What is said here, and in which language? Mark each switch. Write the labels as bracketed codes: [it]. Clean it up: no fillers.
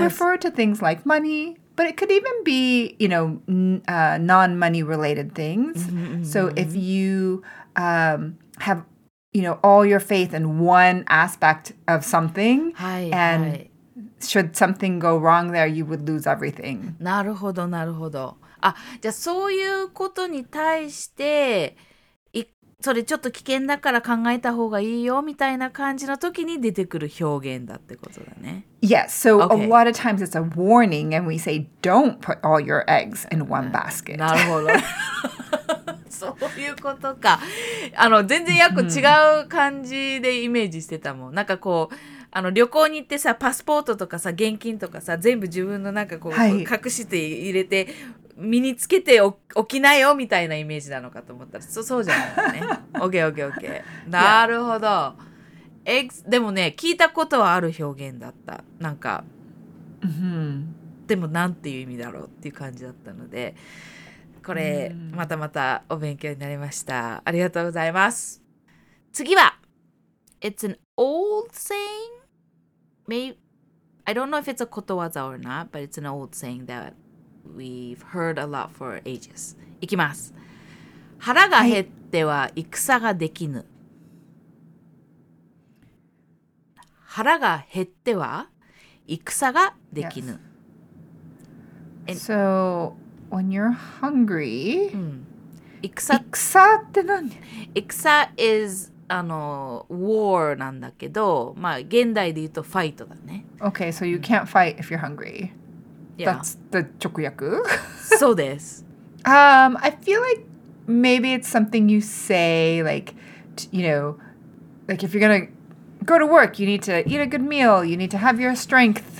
[en] refer to things like money, but it could even be, you know, non-money related things. Mm-hmm. So if you、have, you know, all your faith in one aspect of something、 [ja] はい、 [en] and、 [ja] はい、 [en] should something go wrong there, you would lose everything. [ja] なるほど、なるほど。あ、じゃあそういうことに対してそれちょっと危険だから考えた方がいいよみたいな感じの時に出てくる表現だってことだね。 [en] Yes, so、okay. a lot of times it's a warning and we say don't put all your eggs in one basket. [ja] なるほど。そういうことか。あの全然約違う感じでイメージしてたもん。なんかこうあの旅行に行ってさパスポートとかさ現金とかさ全部自分のなんかこう、はい、隠して入れて身につけて おきなよみたいなイメージなのかと思ったら そうじゃないよね。 [en] OK, OK, OK. [ja] なるほど、 [en] yeah. eggs。 [ja] でもね、聞いたことはある表現だった。なんか、 mm-hmm. でもなんていう意味だろうっていう感じだったので、これ、mm-hmm. またまたお勉強になりました。ありがとうございます。次は、 [en] It's an old saying? Maybe, I don't know if it's a ことわざ or not, but it's an old saying thatWe've heard a lot for ages. [ja] いきます。腹が減っては戦ができぬ。腹が減っては戦ができぬ。 [en] So, when you're hungry,、 [ja] うん、戦って何？戦 is あの war なんだけど、まあ現代で言うとファイトだね。 [en] Okay, so you can't fight if you're hungry. Yeah. That's the 直訳? [ja] そうです。 [en] I feel like maybe it's something you say, like, you know, like if you're gonna go to work, you need to eat a good meal, you need to have your strength.